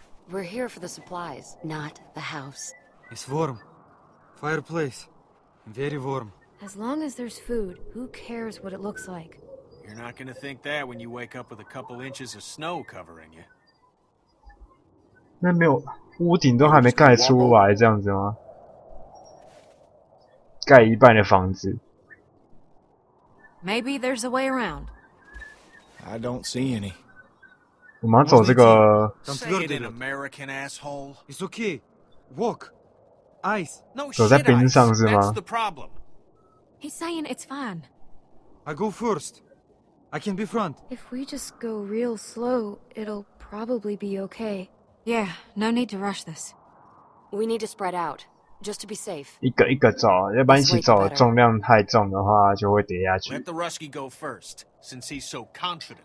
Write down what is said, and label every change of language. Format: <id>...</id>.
<en>We're here for the supplies, not the house. It's warm. Fireplace. Very warm. As long as there's food, who cares what it looks like? You're not gonna think that when you wake up with a couple inches of snow covering you.</en> <zh>那没有，屋顶都还没盖出来，这样子吗？盖一半的房子。</zh> <en>Maybe there's a way around. I don't see any.</en> <zh>我们要走这个。</zh> <en>Say it, an American asshole. It's okay. Walk. Ice. No shit.</en> <zh>走在冰上是吗</zh> <en>？That's the problem. He's saying it's fine. I go first. I can be front. If we just go real slow, it'll probably be okay. Yeah. No need to rush this. We need to spread out. Just to be safe.</en> <zh>一个一个走，要不然一起走，重量太重的话就会跌下去。</zh> <en>Let the Ruski go first, since he's so confident.</en>